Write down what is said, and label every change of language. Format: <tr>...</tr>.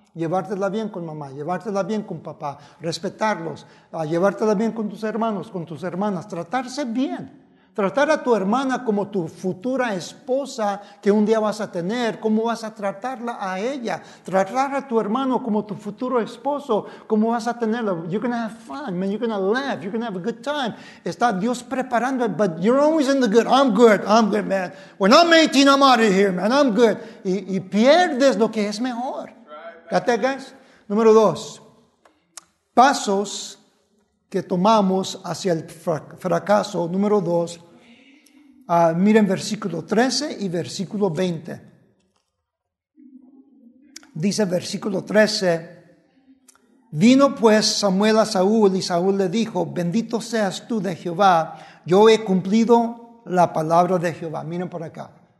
<es>Llevártela bien con mamá, llevártela bien con papá, respetarlos, llevártela bien con tus hermanos, con tus hermanas, tratarse bien. Tratar a tu hermana como tu futura esposa que un día vas a tener, ¿cómo vas a tratarla a ella? Tratar a tu hermano como tu futuro esposo, ¿cómo vas a tenerla?</es> <en>You're going to have fun, man, you're going to laugh, you're going to have a good time.</en> <es>Está Dios preparando,</es> <en>but you're always in the good. I'm good, man. When I'm 18, I'm out of here, man, I'm good.</en> <es>Y pierdes lo que es mejor.</es> <en>Got that, guys?</en> <es>Número dos, pasos que tomamos hacia el fracaso. Número dos, miren versículo 13 y versículo 20. Dice versículo 13, vino pues Samuel a Saúl y Saúl le dijo, bendito seas tú de Jehová, yo he cumplido la palabra de Jehová. Miren por acá.</es>